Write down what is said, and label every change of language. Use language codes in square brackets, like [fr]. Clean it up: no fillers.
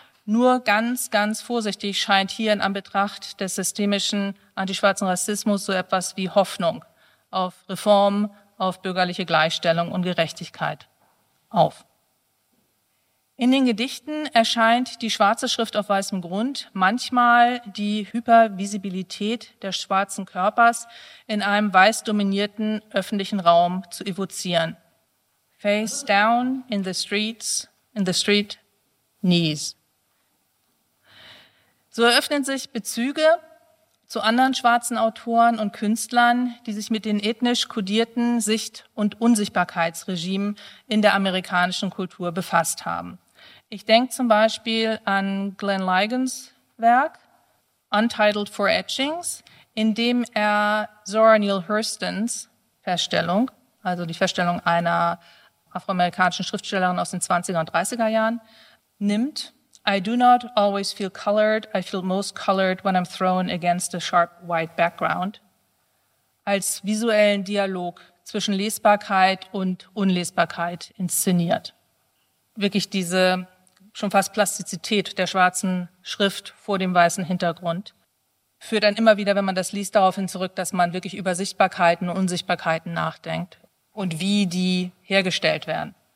[de] Nur ganz, ganz vorsichtig scheint hier in Anbetracht des systemischen antischwarzen Rassismus so etwas wie Hoffnung auf Reform, auf bürgerliche Gleichstellung und Gerechtigkeit auf. In den Gedichten erscheint die schwarze Schrift auf weißem Grund manchmal die Hypervisibilität des schwarzen Körpers in einem weiß dominierten öffentlichen Raum zu evozieren. [en] Face down in the streets, in the street, knees. [de] So eröffnen sich Bezüge zu anderen schwarzen Autoren und Künstlern, die sich mit den ethnisch kodierten Sicht- und Unsichtbarkeitsregimen in der amerikanischen Kultur befasst haben. Ich denke zum Beispiel an Glenn Ligons Werk Untitled for Etchings, in dem er Zora Neale Hurstons Feststellung, also die Feststellung einer afroamerikanischen Schriftstellerin aus den 20er und 30er Jahren, nimmt. [en] I do not always feel colored. I feel most colored when I'm thrown against a sharp white background. [de] Als visuellen Dialog zwischen Lesbarkeit und Unlesbarkeit inszeniert. Wirklich diese schon fast Plastizität der schwarzen Schrift vor dem weißen Hintergrund führt dann immer wieder, wenn man das liest, darauf hin zurück, dass man wirklich über Sichtbarkeiten und Unsichtbarkeiten nachdenkt und wie die hergestellt werden.